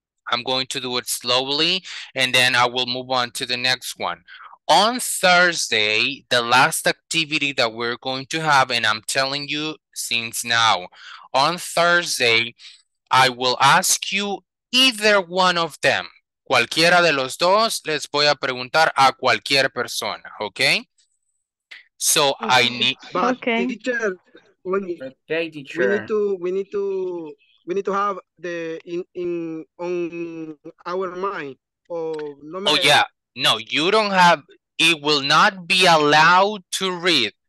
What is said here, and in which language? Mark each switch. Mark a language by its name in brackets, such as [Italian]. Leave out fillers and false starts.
[English] I'm going to do it slowly, and then I will move on to the next one. On Thursday, the last activity that we're going to have, and I'm telling you since now, on Thursday, I will ask you either one of them. [Spanish] Cualquiera de los dos, les voy a preguntar a cualquier persona, okay? [English] So okay. I need. But okay. Teacher, we need to have the in on our mind. No, you don't have. It will not be allowed to read.